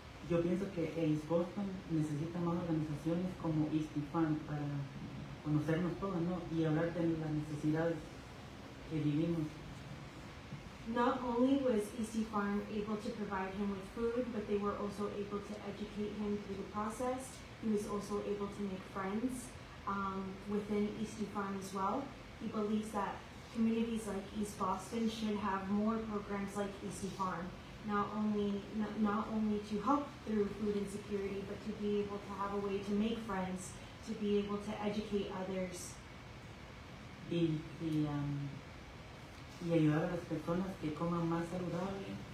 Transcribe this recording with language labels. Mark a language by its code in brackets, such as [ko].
[es] Yo pienso que East Boston necesita más organizaciones como East Fund para conocernos todos, ¿no? Y hablar de las necesidades que vivimos. [en] Not only was East Farm able to provide him with food, but they were also able to educate him through the process. He was also able to make friends within East Farm as well. He believes that communities like East Boston should have more programs like East Farm, not only to help through food insecurity, but to be able to have a way to make friends, to be able to educate others. [es] Y ayudar a las personas que coman más saludable.